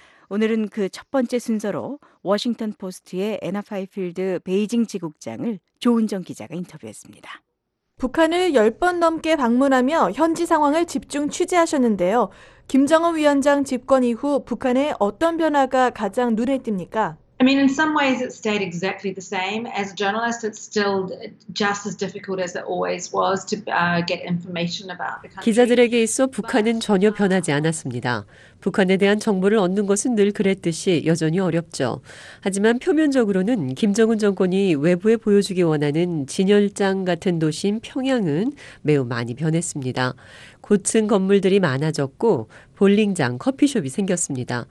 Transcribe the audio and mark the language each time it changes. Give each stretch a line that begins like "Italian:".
Korean: 오늘은 그 첫 번째 순서로 워싱턴포스트의 애나 파이필드 베이징 지국장을 조은정 기자가 인터뷰했습니다. 북한을 10번 넘게 방문하며 현지 상황을 집중 취재하셨는데요. 김정은 위원장 집권 이후 북한의 어떤 변화가 가장 눈에 띕니까?
English: I mean, in some ways it stayed exactly the same. As a journalist, it's still just as difficult as it always was to get information about the country.
Korean: 기자들에게 있어 북한은 전혀 변하지 않았습니다. 북한에 대한 정보를 얻는 것은 늘 그랬듯이 여전히 어렵죠. 하지만 표면적으로는 김정은 정권이 외부에 보여주기 원하는 진열장 같은 도시인 평양은 매우 많이 변했습니다. 고층 건물들이 많아졌고 볼링장, 커피숍이 생겼습니다.